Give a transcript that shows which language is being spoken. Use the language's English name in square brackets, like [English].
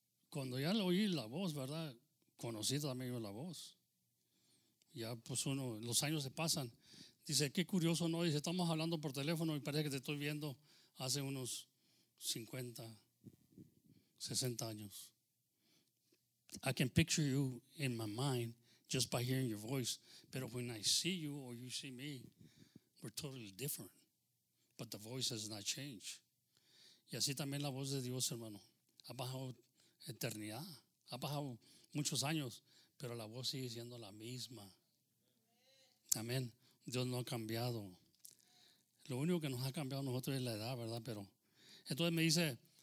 [Spanish] Cuando ya lo oí la voz, ¿verdad? Conocí también yo la voz. Ya pues uno, los años se pasan. Dice, qué curioso, ¿no? Dice, estamos hablando por teléfono y parece que te estoy viendo hace unos 50, 60 años. [English] I can picture you in my mind just by hearing your voice. Pero when I see you or you see me, we're totally different. But the voice has not changed. [Spanish] Y así también la voz de Dios, hermano. Ha bajado eternidad. Ha bajado muchos años, pero la voz sigue siendo la misma. Amén. Dios no ha cambiado. Lo único que nos ha cambiado nosotros es la edad, ¿verdad? Pero entonces me dice,